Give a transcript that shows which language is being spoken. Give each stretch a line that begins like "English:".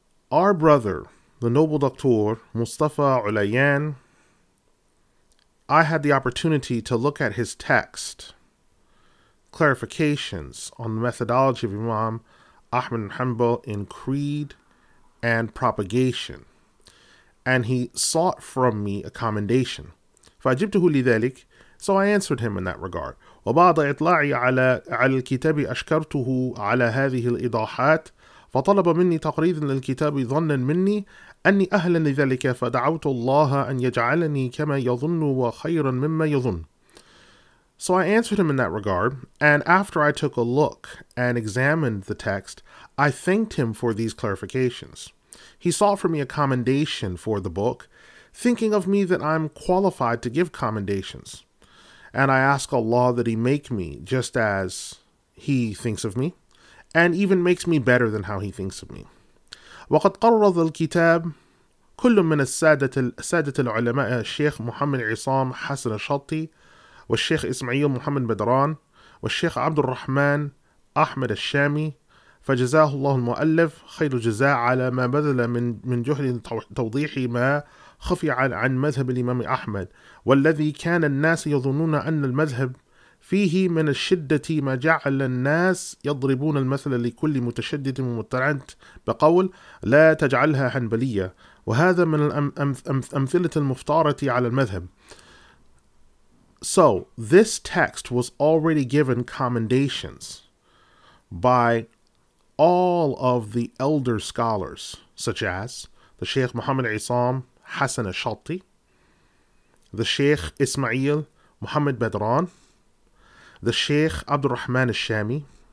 English: Our brother, the noble doctor مصطفى عليان, I had the opportunity to look at his text, clarifications on the methodology of Imam Ahmad bin Hanbal in creed and propagation. And he sought from me a commendation.
Arabic: فأجبته لذلك.
English: So I answered him in that regard.
Arabic: وبعد إطلاعي على الكتاب أشكرته على هذه الإضاحات. فطلب مني تقريض للكتاب ظنا مني أني أهلا لذلك. فدعوت الله أن يجعلني كما يظن وخيرا مما يظن.
English: So I answered him in that regard. And after I took a look and examined the text, I thanked him for these clarifications. He sought for me a commendation for the book, thinking of me that I'm qualified to give commendations. And I ask Allah that he make me just as he thinks of me, and even makes me better than how he thinks of me.
Arabic: وَقَدْ قَرَّضَ الْكِتَابِ كُلٌّ مِنَ السَّادَةِ الْعُلَمَاءِ الشيخ محمد عصام حسن الشطي والشيخ إسماعيل محمد بدران والشيخ عبد الرحمن أحمد الشامي فجزاه الله المؤلف خير الجزاء على ما بذل من جهد توضيح ما خفي عن مذهب الإمام أحمد والذي كان الناس يظنون أن المذهب فيه من الشدة ما جعل الناس يضربون المثل لكل متشدد ومترعنت بقول لا تجعلها حنبلية وهذا من الأمثلة المفطارة على المذهب.
English: So this text was already given commendations by all of the elder scholars, such as the Sheikh Muhammad Isam Hassan Ash-Shatti, the Sheikh Ismail Muhammad Badran, the Sheikh Abdur-Rahman Ash-Shami,